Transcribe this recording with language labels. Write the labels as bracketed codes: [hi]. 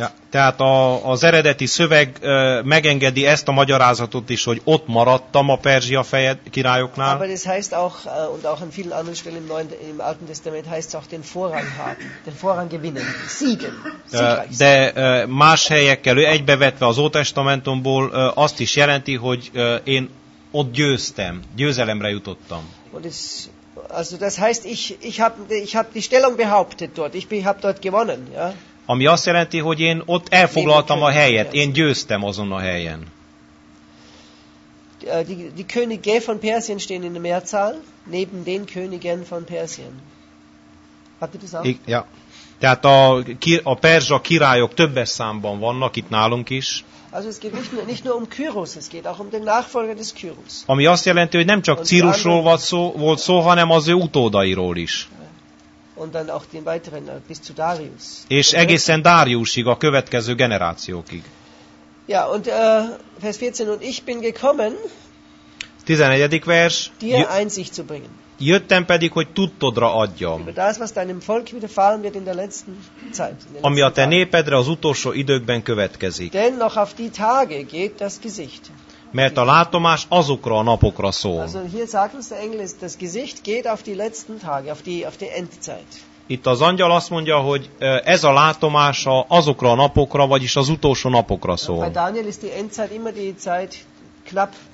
[hu] Tehát az eredeti szöveg megengedi ezt a magyarázatot is, hogy ott maradtam a perzsia királyoknál. [de] Aber das heißt auch und auch an vielen anderen Stellen im Alten Testament heißt es auch den Vorrang haben, den Vorrang gewinnen, siegen. [hu] De más helyekkel egybevetve az Ótestamentumból azt is jelenti, hogy én ott győztem, győzelemre jutottam. [de] Also das heißt, ich hab die Stellung behauptet dort. Ich hab dort gewonnen, ja? [hu] Ami azt jelenti, hogy én ott elfoglaltam a helyet. Én győztem azon a helyen. [de] Die Könige von Persien stehen in der Mehrzahl neben den Königen von Persien. Habt ihr das auch? Ja. [hu] Tehát a perzsa királyok többes számban vannak itt nálunk is. [de] Also es geht nicht nur um Kyrus, es geht auch um den Nachfolger des Kyrus. [hu] Ami azt jelenti, hogy nem csak Círusról volt szó, hanem az ő utódairól is. [de] Und dann auch den weiteren bis zu Darius. [hu] És egészen Dáriusig, a következő generációkig. [de] Ja, und Vers 14 und ich bin gekommen. [hu] 14. vers. [de] Dir Einsicht zu bringen. [hu] Jöttem pedig, hogy tudtodra adjam. [de] Das, was deinem Volk widerfahren wird in der letzten Zeit. [hu] Ami a te népedre az utolsó időkben következik. [de] Denn noch auf die Tage geht das Gesicht. [hu] Mert a látomás azokra a napokra szól. [de] Also hier sagt uns der Engel, das Gesicht geht auf die letzten Tage, auf die Endzeit. [hu] Itt az angyal azt mondja, hogy ez a látomása azokra a napokra, vagyis az utolsó napokra szól. [de] Bei Daniel ist die Endzeit immer die Zeit knapp.